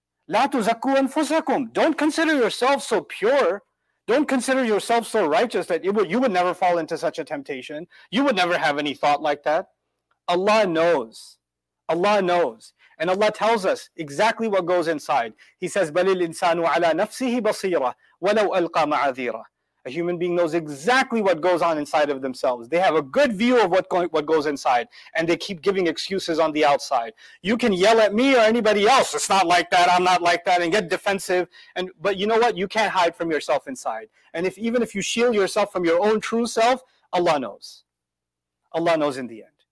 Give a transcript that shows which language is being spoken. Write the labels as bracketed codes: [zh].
[ar] لَا تُزَكُّوا أَنفُسَكُمْ. [en] Don't consider yourself so pure. Don't consider yourself so righteous that you would never fall into such a temptation. You would never have any thought like that. Allah knows. Allah knows. And Allah tells us exactly what goes inside. He says, [ar] بَلِ الْإِنسَانُ عَلَىٰ نَفْسِهِ بَصِيرًا وَلَوْ أَلْقَى مَعَذِيرًا. [en] A human being knows exactly what goes on inside of themselves. They have a good view of what goes inside. And they keep giving excuses on the outside. You can yell at me or anybody else, it's not like that, I'm not like that, and get defensive. But you know what? You can't hide from yourself inside. And even if you shield yourself from your own true self, Allah knows. Allah knows in the end.